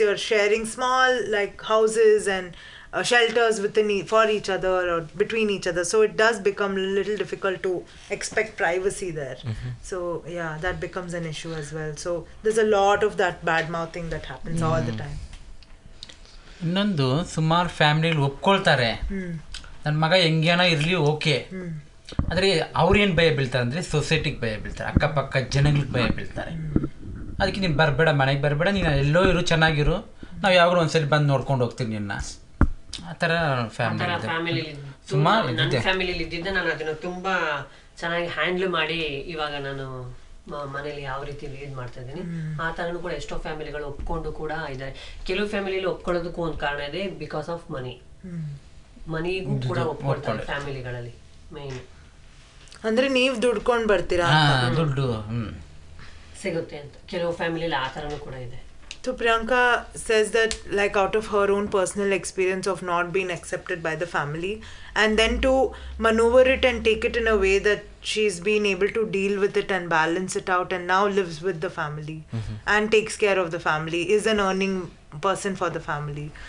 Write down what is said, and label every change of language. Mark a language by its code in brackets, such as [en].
[en] You're sharing small, like, houses and... shelters for each other or between each other, so it does become a little difficult to expect privacy there. Mm-hmm. So yeah, that becomes an issue as well. So there's a lot of that bad mouthing that happens all the time. [kn] ಇನ್ನೊಂದು ಸುಮಾರು family ಒಪ್ಕೊಳ್ತಾರೆ ನನ್ನ ಮಗ ಹೆಂಗೇನ ಇರ್ಲಿ okay ಅಂದರೆ ಅವ್ರೇನು ಭಯ ಬೀಳ್ತಾರೆ ಅಂದರೆ ಸೊಸೈಟಿಗೆ ಭಯ ಬೀಳ್ತಾರೆ, ಅಕ್ಕಪಕ್ಕ ಜನಗಳಿಗೆ ಭಯ ಬೀಳ್ತಾರೆ. ಅದಕ್ಕೆ ನೀನು ಬರಬೇಡ, ಮನೆಗೆ ಬರಬೇಡ, ನೀನು ಎಲ್ಲೋ ಇರು, ಚೆನ್ನಾಗಿರು, ನಾವು ಯಾವಾಗಲೂ ಒಂದ್ಸರಿ ಬಂದು ನೋಡ್ಕೊಂಡು ಹೋಗ್ತೀನಿ ನಿನ್ನ. ಆ ಥರ ಫ್ಯಾಮಿಲಿ ಸುಮಾರು ಫ್ಯಾಮಿಲಿಯಲ್ಲಿ ಇದ್ದಿದ್ದ ನಾನು ಅದನ್ನು ತುಂಬ ಚೆನ್ನಾಗಿ ಹ್ಯಾಂಡ್ಲ್ ಮಾಡಿ ಇವಾಗ ನಾನು ಮನೇಲಿ ಯಾವ ರೀತಿ ಇದು ಮಾಡ್ತಾ ಇದ್ದೀನಿ ಆ ಥರನೂ ಕೂಡ ಎಷ್ಟೋ ಫ್ಯಾಮಿಲಿಗಳು ಒಪ್ಕೊಂಡು ಕೂಡ ಇದ್ದಾರೆ. ಕೆಲವು ಫ್ಯಾಮಿಲಿಯಲ್ಲಿ ಒಪ್ಕೊಳ್ಳೋದಕ್ಕೂ ಒಂದು ಕಾರಣ ಇದೆ, [en] Because of money. [kn] ಮನಿಗೂ ಕೂಡ ಒಪ್ಕೊಳ್ತಾರೆ ಫ್ಯಾಮಿಲಿಗಳಲ್ಲಿ ಮೇನ್. ಅಂದ್ರೆ ನೀವು ದುಡ್ಕೊಂಡು ಬರ್ತೀರಾ, ದುಡ್ಡು ಸಿಗುತ್ತೆ ಅಂತ ಕೆಲವು ಫ್ಯಾಮಿಲಿಯಲ್ಲಿ ಆ ಥರನೂ ಕೂಡ ಇದೆ. [en] So Priyanka says that like out of her own personal experience of not being accepted by the family and then to maneuver it and take it in a way that she's been able to deal with it and balance it out and now lives with the family and takes care of the family, is an earning person for the family.